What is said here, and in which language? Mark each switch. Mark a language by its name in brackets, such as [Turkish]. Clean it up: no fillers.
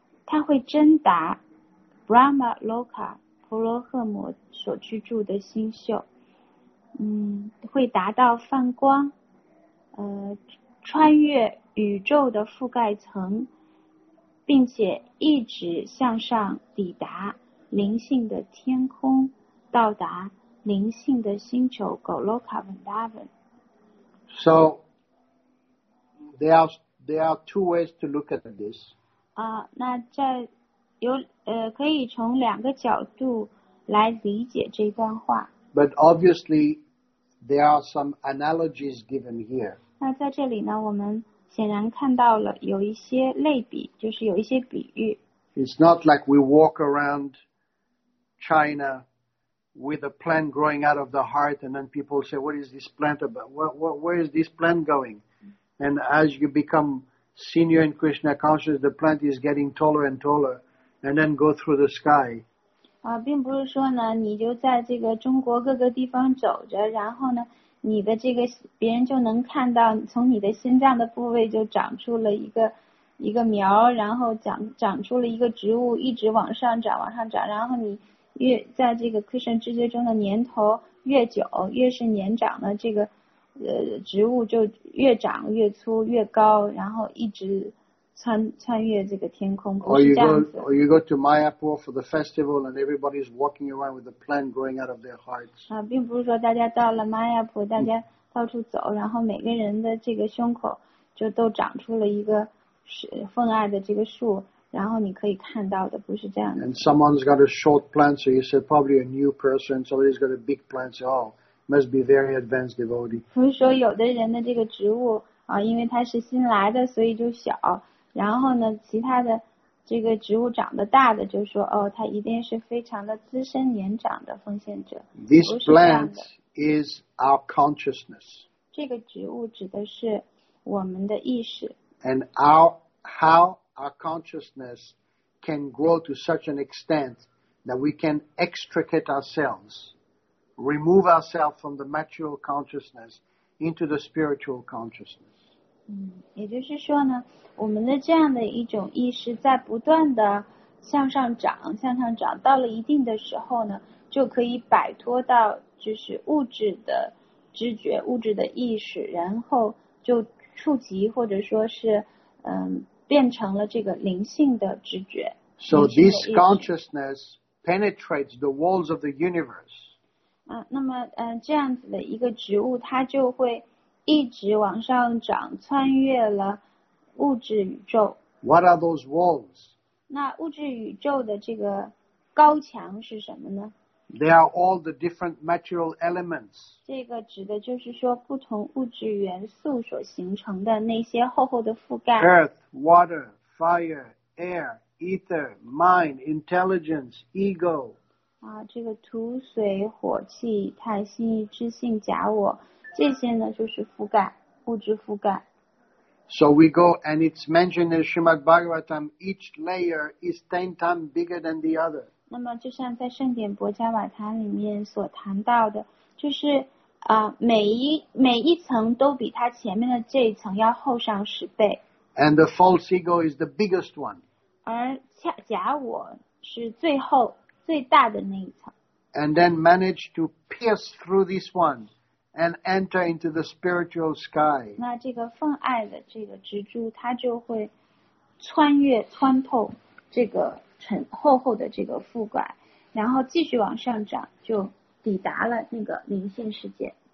[Chinese] 他会真达 Brahma Loka 婆罗赫摩所居住的星宿，会达到放光，穿越宇宙的覆盖层，并且一直向上抵达灵性的天空，到达灵性的星球 Goloka Vrindavan. [English] So there are two ways to look at this. [Chinese] 那在有可以从两个角度来理解这段话。 [English] But obviously, there are some analogies given here. [Chinese] 那在这里呢，我们显然看到了有一些类比，就是有一些比喻。 [English] It's not like we walk around China with a plant growing out of the heart, and then people say, "What is this plant about? Where is this plant going?" And as you becomeSenior in Krishna consciousness, the plant is getting taller and taller, and then go through the sky. [Chinese] 并不是说呢，你就在这个中国各个地方走着，然后呢，你的这个别人就能看到从你的心脏的部位就长出了一个苗，然后长出了一个植物，一直往上长，往上长，然后你越在这个 Krishna 知觉中的年头越久，越是年长的这个。植物就越长越粗越高，然后一直穿越这个天空，不是这样子。 [English] Or you go to Mayapur for the festival and everybody is walking around with a plant growing out of their hearts. [Chinese] 并不是说大家到了 Mayapur， 大家到处走，然后每个人的这个胸口就都长出了一个奉爱的这个树，然后你可以看到的，不是这样子。 [English] And someone's got a short plant, so you say probably a new person. Somebody's got a big plant, so. Must be very advanced devotee. [Chinese] 不是说有的人的这个植物啊，因为它是新来的，所以就小。然后呢，其他的这个植物长得大的，就说哦，它一定是非常的资深年长的奉献者。 [English] This plant is our consciousness. [Chinese] 这个植物指的是我们的意识。 [English] And how our consciousness can grow to such an extent that we can extricate ourselves. Remove ourselves from the material consciousness into the spiritual consciousness. [Chinese] 也就是说呢，我们的这样的一种意识在不断的向上长，到了一定的时候呢，就可以摆脱到就是物质的知觉、物质的意识，然后就触及或者说是变成了这个灵性的知觉。 [English] So this consciousness penetrates the walls of the universe. [Chinese] 啊，那么这样子的一个植物，它就会一直往上长，穿越了物质宇宙。 [English] What are those walls? [Chinese] 那物质宇宙的这个高墙是什么呢？ [English] They are all the different material elements. [Chinese] 这个指的就是说不同物质元素所形成的那些厚厚的覆盖。 [English] Earth, water, fire, air, ether, mind, intelligence, ego. [Chinese] 啊，这个土、水、火、气、太、心、意、知性、假我，这些呢就是覆盖，物质覆盖。 [English] So we go, and it's mentioned in Srimad Bhagavatam, each layer is 10 times bigger than the other. [Chinese] 那么就像在圣典博伽瓦塔里面所谈到的，就是每一层都比它前面的这一层要厚上10倍。 [English] And the false ego is the biggest one. [Chinese] 而假我是最厚最大的那一层。 [English] And then manage to pierce through this one. And enter into the spiritual sky. [Chinese] 那这个奉爱的这个蜘蛛，它就会穿越、穿透这个厚厚的这个覆盖，然后继续往上涨，就抵达了那个灵性世界。